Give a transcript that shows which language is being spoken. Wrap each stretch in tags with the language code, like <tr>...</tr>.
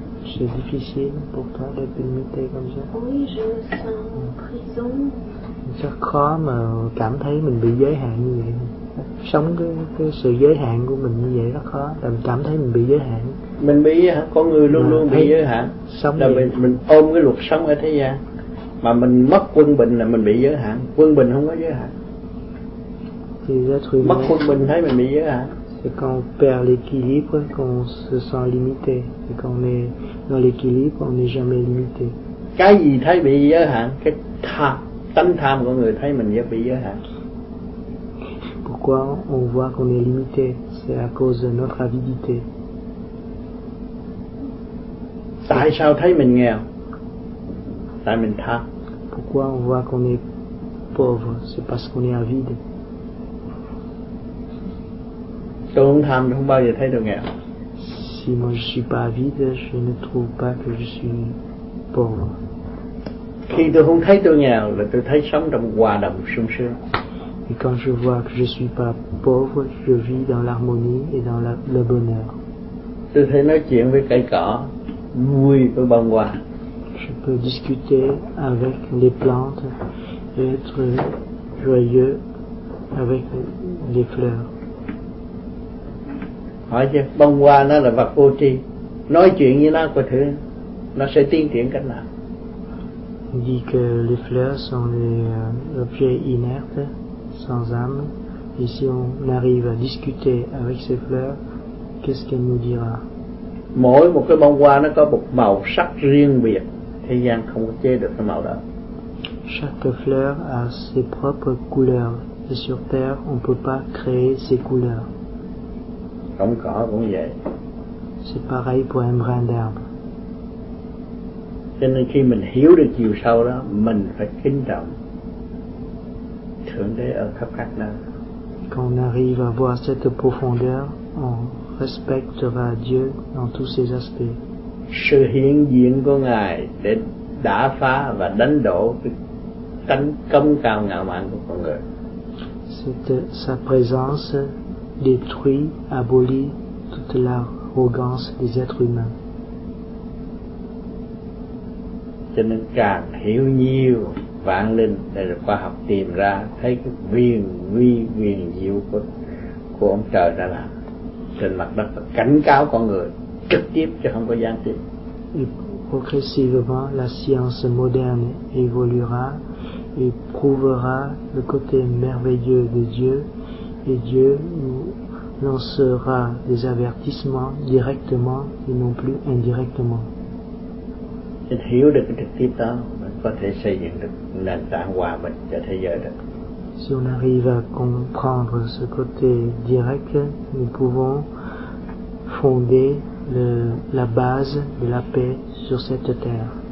<fr>C'est difficile pour toi d'être limité comme ça. Oui, je me sens en prison.</fr> <vi>C'est khó mà cảm thấy mình bị giới hạn như vậy. Sống cái sự giới hạn của mình như vậy rất khó. Làm cảm thấy mình bị giới hạn. Mình bị con người luôn mà luôn bị giới hạn. Sống là mình ôm cái luật sống ở thế gian. Mà mình mất quân bình là mình bị giới hạn. Quân bình không có giới hạn. Mất quân bình thấy mình bị giới hạn.</vi> <fr>C'est quand on perd l'équilibre qu'on se sent limité. Et quand on est dans l'équilibre, on n'est jamais limité.</fr> <vi>Cái gì thấy bị giới hạn? Cái tham, tánh tham của người thấy mình bị giới hạn.</vi> <fr>Pourquoi on voit qu'on est limité? C'est à cause de notre avidité.</fr> <vi>Tại sao thấy mình nghèo? Tại mình tham.</vi> <fr>Pourquoi on voit qu'on est pauvre? C'est parce qu'on est avide.</fr> <vi>Tôi không tham thì không bao giờ thấy được nghèo.</vi> <fr>Si moi je suis pas vide, je ne trouve pas que je suis pauvre.</fr> <vi>Khi tôi không thấy tôi nghèo là tôi thấy sống trong hòa đồng sung sướng.</vi> <fr>Et quand je vois que je suis pas pauvre, je vis dans l'harmonie et dans le bonheur.</fr> <vi>Tôi thấy nói chuyện với cây cỏ vui với bông hoa.</vi> <fr>Je peux discuter avec les plantes et être joyeux avec les fleurs.</fr> <vi>Hỏi chứ bông hoa nó là vật vô tri, nói chuyện với nó có thứ nó sẽ tiến triển cách nào?</vi> <fr>Dit que les fleurs sont des objets inertes, sans âme. Et si on arrive à discuter avec ces fleurs, qu'est-ce qu'elle nous dira?</fr> <vi>Mỗi một cái bông hoa nó có một màu sắc riêng biệt, thế gian không có chế được cái màu đó.</vi> <fr>Chaque fleur a ses propres couleurs et sur terre on peut pas créer ses couleurs.</fr> <vi>Cỏng cỏ cũng vậy.</vi> <fr>C'est pareil pour un brin d'herbe.</fr> <vi>Cho nên khi mình hiểu được chiều sâu đó, mình phải kính trọng Thượng Đế ở khắp các nơi.</vi> <fr>Quand on arrive à voir cette profondeur, on respectera Dieu dans tous ses aspects.</fr> <vi>Sự hiện diện của Ngài để đả phá và đánh đổ cái tánh công cao ngạo mạn của con người.</vi> <fr>C'est sa présence détruit, abolit toute l'arrogance des êtres humains.</fr> <vi>Cho nên càng hiểu nhiều vạn linh, đây là khoa học tìm ra thấy cái viên nguy viên diệu của ông trời đã làm trên mặt đất và cảnh cáo con người trực tiếp chứ không có gián tiếp.</vi> <fr>Et progressivement, la science moderne évoluera et prouvera le côté merveilleux de Dieu. Et Dieu nous lancera des avertissements directement et non plus indirectement.</fr> <vi>Chứ hiểu được trực tiếp đó, mình có thể xây dựng được nền tảng hòa bình cho thế giới được.</vi> <fr>Si on arrive à comprendre ce côté direct, nous pouvons fonder la base de la paix sur cette terre.</fr>